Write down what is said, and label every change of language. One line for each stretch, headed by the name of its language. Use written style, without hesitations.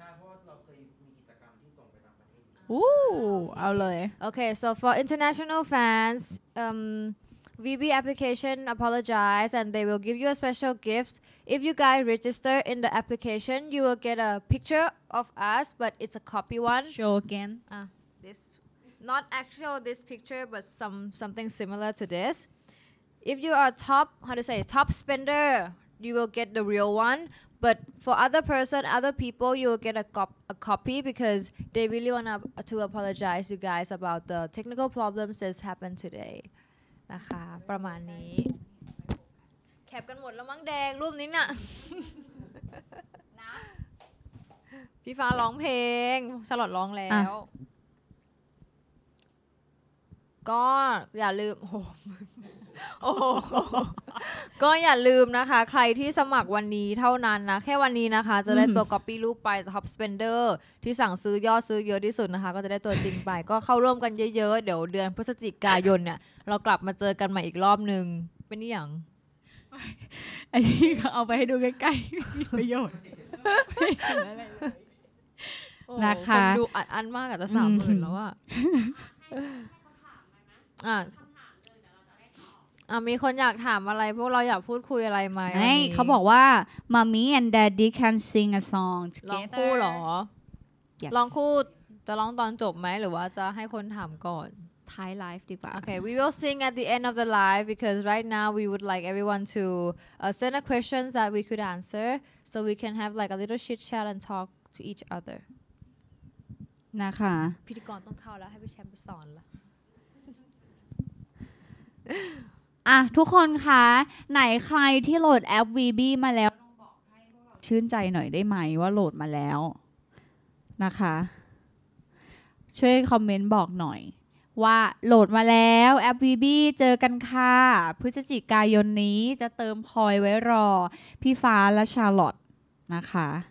Thai: ได้เพราะเราเคยมีกิจกรรมที่ส่งไปต่างประเทศ อู้เอาเลย
English: โอเค so for international fans VB application apologize and they will give you a special gift if you guys register in the application you will get a picture of us but it's a copy one show again this not actual this picture but something similar to thisIf you are top spender, you will get the real one. But for other people, you will get a copy because they really want to apologize you guys about the technical problems that happened today.
Thai: นะคะประมาณนี้แคปกันหมดแล้วมั้งแดงรูปนี้น่ะ นะ พี่ฟ้าร้องเพลงฉลอดร้องแล้วก็อย่าลืมโอ้โหก็อย่าลืมนะคะใครที่สมัครวันนี้เท่านั้นนะแค่วันนี้นะคะจะได้ตัวก๊อปปี้รูปไป Top Spender ที่สั่งซื้อยอดซื้อเยอะที่สุดนะคะก็จะได้ตัวจริงไปก็เข้าร่วมกันเยอะๆเดี๋ยวเดือนพฤศจิกายนเนี่ยเรากลับมาเจอกันใหม่อีกรอบนึงเป็นอย่าง อันนี้เขาเอาไปให้ดูใกล้ๆมีประโยชน์นะคะดูอันมากอ่ะจะ 30,000 แล้วอ่ะ มีคนอยากถามอะไรพวกเราอยากพูดคุยอะไรไหม เขาบอกว่า
English: Mommy and Daddy can sing a song together
Thai: ลองคู่หรอลองคู่จะร้องตอนจบไหมหรือว่าจะให้คนถามก่อน ท้ายไลฟ์ดีกว่า
English: โอเค we will sing at the end of the live because right now we would like everyone to send a questions that we could answer so we can have like a little chit chat and talk to each other
Thai: นะคะ พิธีกรต้องเข้าแล้วให้พี่แชมป์ไปสอนละ อ่ะทุกคนคะไหนใครที่โหลดแอป VB มาแล้วต้องบอกให้พวกเราชื่นใจหน่อยได้ไหมว่าโหลดมาแล้วนะคะช่วยคอมเมนต์บอกหน่อยว่าโหลดมาแล้วแอป VB เจอกันค่ะพฤศจิกายนนี้จะเติมพลอยไว้รอพี่ฟ้าและชาร์ลอตนะคะ